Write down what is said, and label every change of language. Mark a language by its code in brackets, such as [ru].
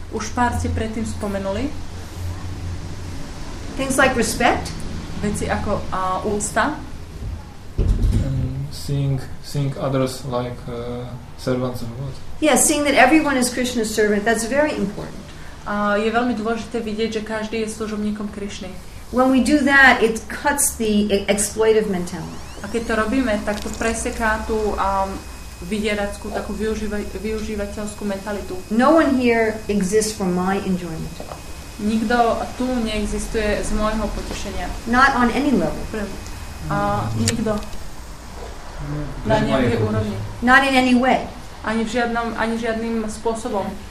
[sk] Už pár ste predtým spomenuli. [en] Things like respect, [sk] veci ako úcta, [en] seeing others like servants of God. Yeah, seeing that everyone is Krishna's servant, that's very important. [sk] Je veľmi dôležité vidieť, že každý je služobníkom Krishny. [en] When we do that, it cuts the exploitive mentality. [sk] A keď to robíme, tak to preseká tú vydierackú, takú využívateľskú mentalitu. [en] No one here exists for my enjoyment. [sk] Nikto tu neexistuje z môjho potešenia. [en] Not on any level. [sk] Nikto. Na nejakej úrovni. [en] Not in any way. [sk] Ani žiadnym spôsobom.